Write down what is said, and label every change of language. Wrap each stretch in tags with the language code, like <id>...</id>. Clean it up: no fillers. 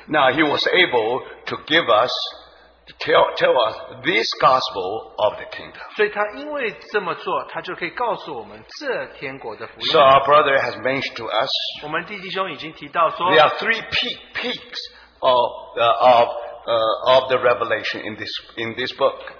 <en>now he was able to give us, to tell us this gospel of the kingdom.</en> <zh>所以他因为这么做，他就可以告诉我们这天国的福音。</zh> <en>So our brother has mentioned to us,</en> <zh>我们弟兄已经提到说,</zh> <en>there are three peaks of the revelation in this book.</en>